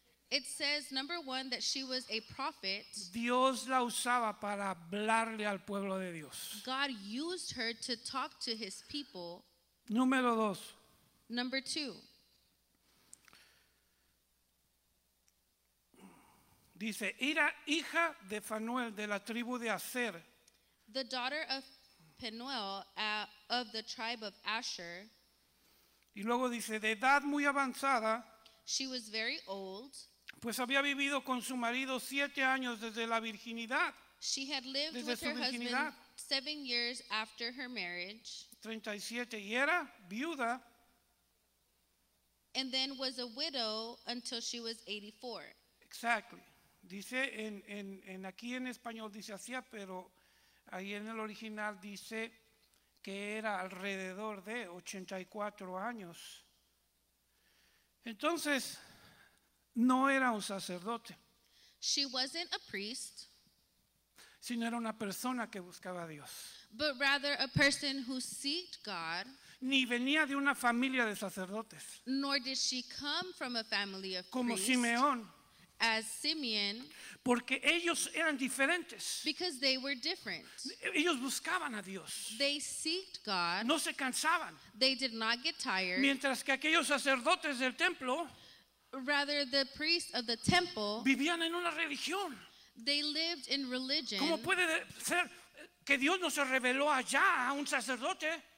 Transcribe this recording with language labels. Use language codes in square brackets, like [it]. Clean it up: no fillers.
[en] It says, number one, that she was a prophet. [es] Dios la usaba para hablarle al pueblo de Dios. [en] God used her to talk to his people. [es] Número dos. [en] Number two. [es] Dice, era hija de Fanuel, de la tribu de Aser. [en] The daughter of Penuel, of the tribe of Asher. [es] Y luego dice, de edad muy avanzada. [en] She was very old. [es] Pues había vivido con su marido 7 años desde la virginidad. [en] She had lived with her husband 7 years after her marriage. [es] 37, y era viuda. [en] And then was a widow until she was 84. Exactly. [es] Dice en aquí en español dice hacía, pero ahí en el original dice que era alrededor de 84 años. Entonces, no era un sacerdote. [en] She wasn't a priest. [es] Sino era una persona que buscaba a Dios. [en] But rather a person who sought God. [es] Ni venía de una familia de sacerdotes. [en] Nor did she come from a family of [es] como [en] priests. [es] Como Simeón. [en] As Simeon, [es] porque ellos eran diferentes. [en] Because they were different. [es] Ellos buscaban a Dios. [en] They sought God. [es] No se cansaban. [en] They did not get tired. [es] Mientras que aquellos sacerdotes del templo, [en] rather the priests of the temple, [es] vivían en una religión. [en] They lived in religion. [es] ¿Cómo puede ser que Dios no se reveló allá a un sacerdote?